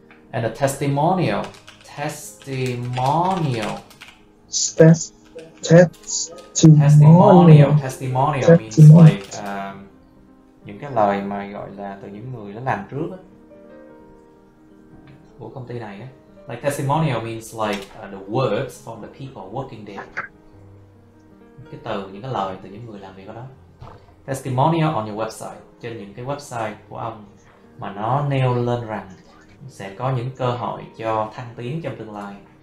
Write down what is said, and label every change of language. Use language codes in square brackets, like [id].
[en] And a testimonial means like [vi] những cái lời mà gọi là từ những người đã làm trước á của công ty này á. [en] Like testimonial means like the words from the people working there. [vi] Cái từ, những cái lời từ những người làm việc ở đó. Testimonial on your website, trên những cái website của ông mà nó nêu lên rằng sẽ có những cơ hội cho thăng tiến trong tương lai.